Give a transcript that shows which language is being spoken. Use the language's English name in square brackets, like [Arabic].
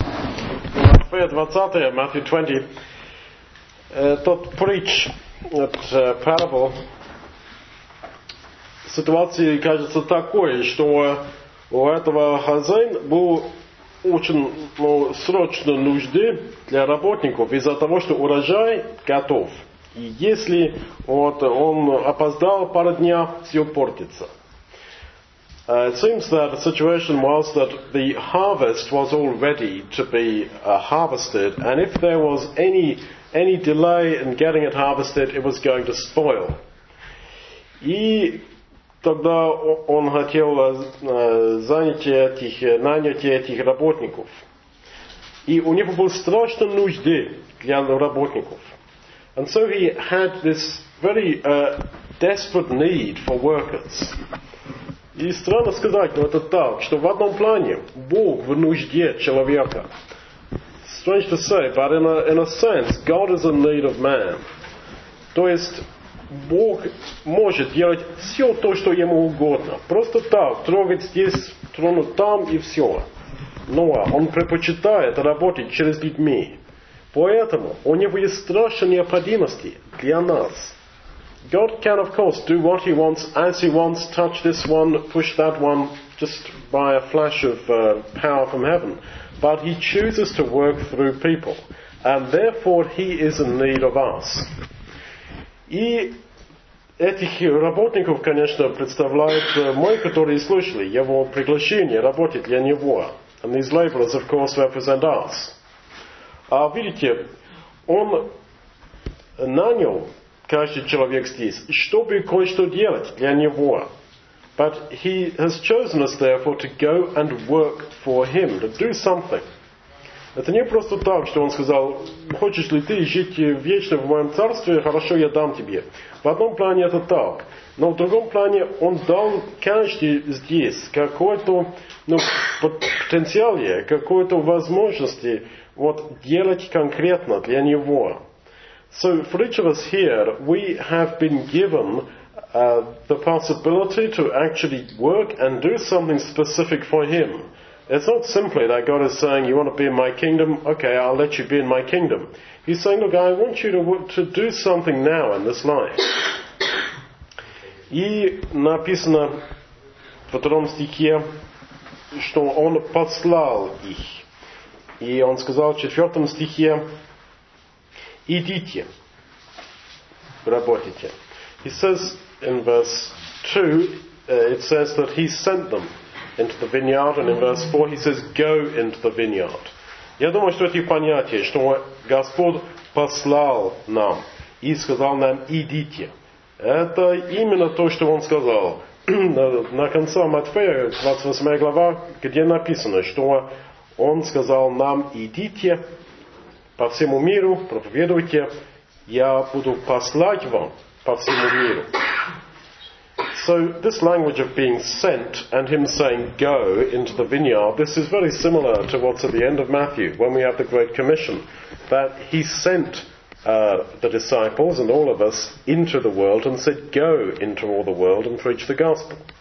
[Russian] 25, 20, Matthew 20, [English] to preach [Russian] от parable ситуации кажется такой, что у этого хозяин был очень срочной нужды для работников из-за того, что урожай готов. И если вот он опоздал пару дня, все портится. [English] It seems that the situation was that the harvest was all ready to be harvested, and if there was any delay in getting it harvested, it was going to spoil. [Russian] И тогда он хотел нанять этих работников. И у него был страшный нужды для работников. [English] And so he had this very desperate need for workers. [Russian] И странно сказать, но это так, что в одном плане Бог в нужде человека. [English] Strange to say, but in a sense, God is in need of man. [Russian] То есть Бог может делать все то, что ему угодно. Просто так, трогать здесь, тронуть там и все. Но он предпочитает работать через людьми. Поэтому у него есть страшные необходимости для нас. [English] God can, of course, do what he wants, as he wants, touch this one, push that one, just by a flash of power from heaven. But he chooses to work through people. And therefore, he is in need of us. [Russian] И этих работников, конечно, представляют мы, которые слышали его приглашение работать для него. [English] And these laborers, of course, represent us. [Russian] А видите, он нанял каждый человек здесь, чтобы кое-что делать для него. [English] But he has chosen us, therefore, to go and work for him, to do something. [Russian] Это не просто так, что он сказал, хочешь ли ты жить вечно в моем царстве, хорошо, я дам тебе. В одном плане это так. Но в другом плане он дал каждый здесь какой-то потенциал, какой-то возможности вот, делать конкретно для него. [English] So for each of us here, we have been given the possibility to actually work and do something specific for him. It's not simply that God is saying, you want to be in my kingdom? Okay, I'll let you be in my kingdom. He's saying, look, I want you to do something now in this life. [Russian] И написано в втором стихе, что он послал их. И он сказал в четвертом стихе, идите, работайте. [English] He says in verse 2, it says that he sent them into the vineyard, and in verse 4 he says, go into the vineyard. [Russian] Я думаю, что эти понятия, что Господь послал нам и сказал нам, идите. Это именно то, что Он сказал. На конце Матфея, 28 глава, где написано, что Он сказал нам, идите по всему миру, проповедуйте, я буду послать вам по всему миру. [English] So this language of being sent and him saying go into the vineyard, this is very similar to what's at the end of Matthew when we have the Great Commission, that he sent the disciples and all of us into the world and said go into all the world and preach the gospel.